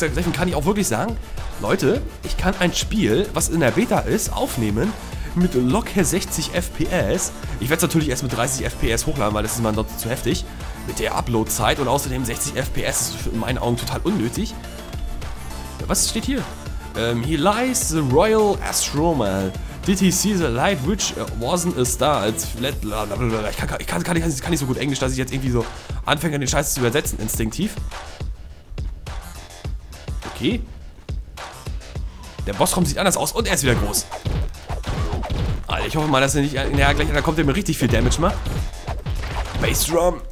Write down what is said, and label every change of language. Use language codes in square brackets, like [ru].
[de] Deswegen kann ich auch wirklich sagen, Leute, ich kann ein Spiel, was in der Beta ist, aufnehmen... mit locker 60 FPS. Ich werde es natürlich erst mit 30 FPS hochladen, weil das ist mir ansonsten zu heftig. Mit der Upload-Zeit und außerdem 60 FPS ist in meinen Augen total unnötig. Was steht hier? [en] Here lies the royal astronomer. Did he see the light which wasn't a star? [de] Als flat. Ich kann nicht so gut Englisch, dass ich jetzt irgendwie so anfange, den Scheiß zu übersetzen, instinktiv. Okay. Der Bossraum sieht anders aus und er ist wieder groß. Ich hoffe mal, dass er nicht... Naja, gleich, da kommt er mir richtig viel Damage macht. Bassdrum.